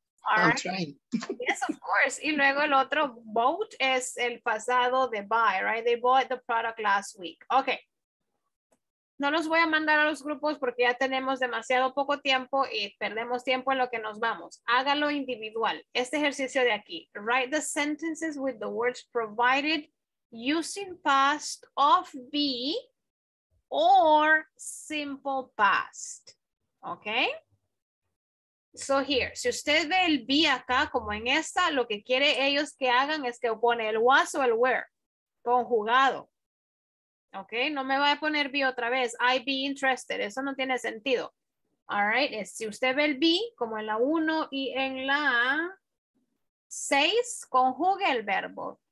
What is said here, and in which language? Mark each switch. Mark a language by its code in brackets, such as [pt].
[en] All right. I'm trying. Yes, of course. [es] Y luego el otro, bought, es el pasado de buy, right? They bought the product last week. Okay. No los voy a mandar a los grupos porque ya tenemos demasiado poco tiempo y perdemos tiempo en lo que nos vamos. Hágalo individual. Este ejercicio de aquí. [en] Write the sentences with the words provided using past of be or simple past. [es] ¿Ok? So here, si usted ve el be acá como en esta, lo que quiere ellos que hagan es que pone el was o el were conjugado. Ok, no me va a poner be otra vez. I be interested. Eso no tiene sentido. All right. Si usted ve el be como en la 1 y en la 6, conjugue el verbo.